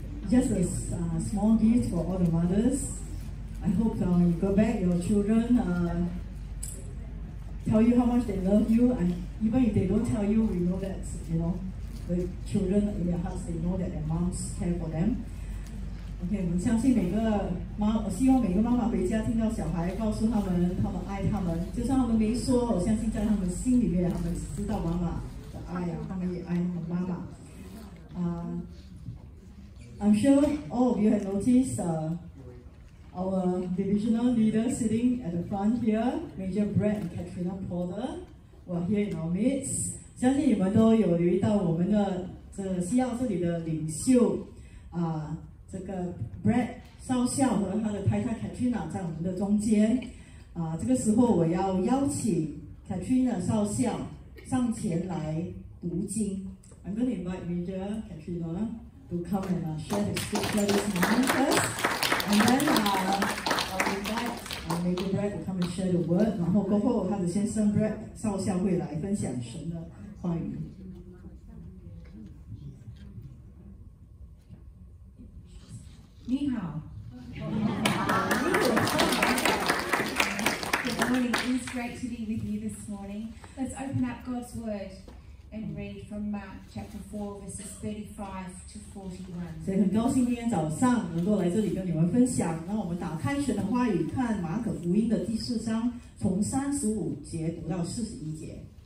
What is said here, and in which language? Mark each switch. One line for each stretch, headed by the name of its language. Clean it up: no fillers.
English: Just a small gift for all the mothers. I hope you go back, your children tell you how much they love you. And even if they don't tell you, we know that, you know, the children in their hearts, they know that their moms care for them.
Chinese: Okay, 我相信每个妈，我希望每个妈妈回家听到小孩告诉他们，他们爱他们，就算他们没说，我相信在他们心里面，他们知道妈妈的爱啊，他们也爱他们妈妈。
English: I'm sure all of you have noticed our divisional leader sitting at the front here, Major Brett and Katrina Porter, were here in our midst.
Chinese: 相信你们都有留意到我们的这西澳这里的领袖啊，这个 Brett 少校和他的太太 Katrina 在我们的中间啊。这个时候我要邀请 Katrina 少校上前来读经。
English: I'm going to invite Major Katrina. To come and share the scripture this morning first, and then I'll invite Major Brett to come and share the word.
Chinese: 然后过后，他的先生 Brett 少校会来分享神的话语。你好。
English: Good morning. It's great to be with you this morning. Let's open up God's word. and read from Mark chapter 4 verses 35 to 41.
Chinese: 所以很高兴今天早上能够来这里跟你们分享，那我们打开神的话语，看马可福音的第四章，从35节读到41节。